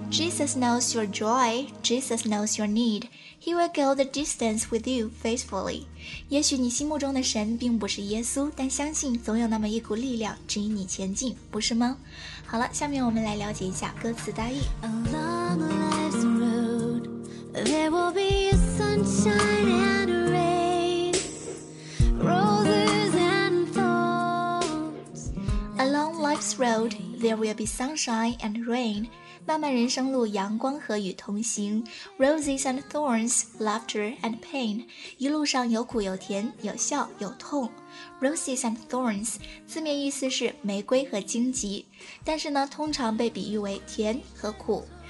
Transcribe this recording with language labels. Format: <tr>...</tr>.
<en>Jesus knows your joy, Jesus knows your need. He will go the distance with you faithfully.</en> <zh>也许你心目中的神并不是耶稣，但相信总有那么一股力量指引你前进，不是吗？好了，下面我们来了解一下歌词大意。</zh> <en>Along life's road, there will be sunshine and rain, roses and thorns. Along life's road, there will be sunshine and rain.</en> <zh>漫漫人生路，阳光和雨同行</zh> <en>Roses and thorns, laughter and pain</en> <zh>一路上有苦有甜，有笑有痛</zh> <en>Roses and thorns</en> <zh>字面意思是玫瑰和荆棘，但是呢，通常被比喻为甜和苦。</zh>